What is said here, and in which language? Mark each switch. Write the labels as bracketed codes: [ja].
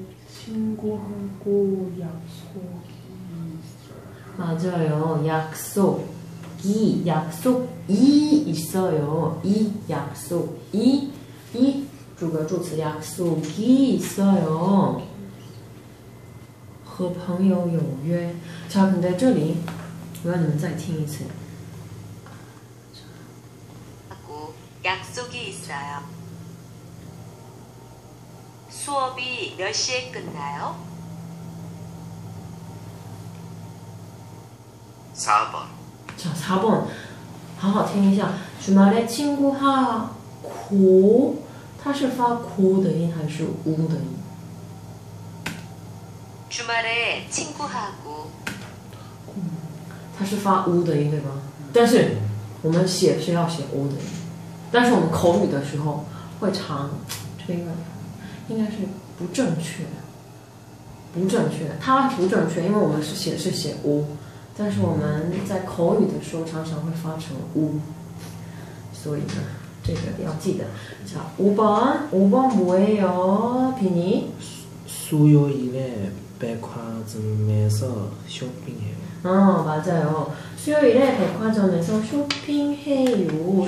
[ko] 친구하고 약속이 있어요. 맞아요. 약속이, 약속이 있어요. 이, 약속이, 이, 주거주词, 약속이 있어요. [zh] 和朋友有约. [ko] 자, 근데 저기, [zh] 我要你们再听一次. [ko] 약속이 있어요. 수업이 몇 시에 끝나요? 4번. 자, 4번. [zh] 好好听一下， [ko] 주말에 친구하고 [zh] 它是发고的音还是우的音？ [ko] 주말에 친구하고 [zh] 它是发우的音对吗？但是我们写是要写오的音，但是我们口语的时候会长这个，应该是不正确，不正确。它不正确，因为我们是写是写오，但是我们在口语的时候常常会发成우，所以呢，这个要记得。 [ko] 자, 5번 5번 뭐예요, 비니? 수요일에 백화점에서 쇼핑해요. 어, 맞아요. 수요일에 백화점에서 쇼핑해요.